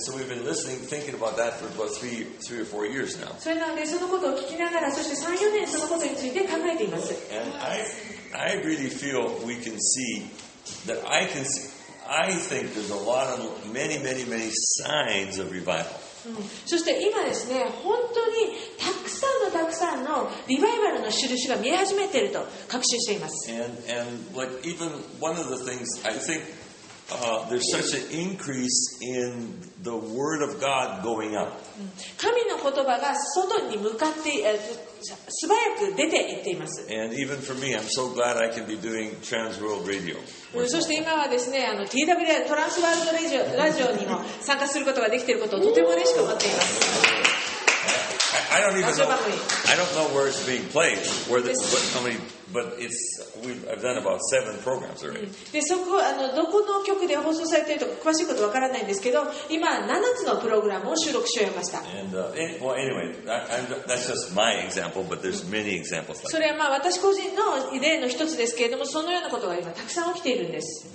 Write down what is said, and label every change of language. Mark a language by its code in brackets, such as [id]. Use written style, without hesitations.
[en] we've been listening, thinking about that for about three or four years now. And I really feel we can see that I can see, I think there's a lot of many, many, many signs of revival. [ja] そして今ですね、本当にたくさんのたくさんのリバイバルの印が見え始めていると確信しています。 [en] And like even one of the things, I think, there's such an increase in the word of God going up. [ja] 神の言葉が外に向かって、素早く出て行っています。 [en] And even for me, I'm so glad I can be doing Trans World Radio. [ja] そして今はですね、TWR トランスワールドラジオにも参加することができていることをとても嬉しく思っています。 [en] I don't even know. I don't know where it's being played. Where the, but how many? But it's I've done about 7 programs already. [ja] で、そこどこの局で放送されているとか詳しいことわからないんですけど、今7つのプログラムを収録し終えました。 [en] And well, anyway, that's just my example, but there's many examples. [ja] それはまあ私個人の例の一つですけれども、そのようなことが今たくさん起きているんです。